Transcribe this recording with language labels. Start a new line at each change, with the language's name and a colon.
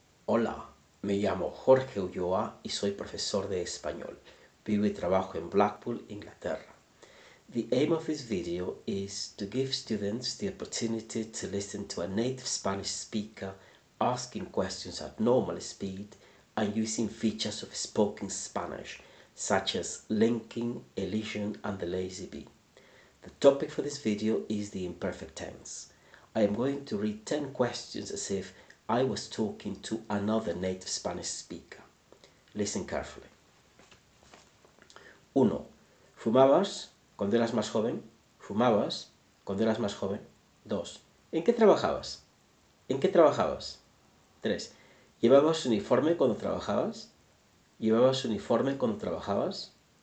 Spanish: Hola, me llamo Jorge Ulloa y soy profesor de español. Vivo y trabajo en Blackpool, Inglaterra.
English: The aim of this video is to give students the opportunity to listen to a native Spanish speaker asking questions at normal speed and using features of spoken Spanish, such as linking, elision, and the lazy be. The topic for this video is the imperfect tense. I am going to read 10 questions as if I was talking to another native Spanish speaker. Listen carefully. 1.
Spanish: ¿Fumabas cuando eras más joven? ¿Fumabas cuando eras más joven? 2. ¿En qué trabajabas? ¿En qué trabajabas? 3. ¿Llevabas uniforme cuando trabajabas? ¿Llevabas uniforme cuando trabajabas?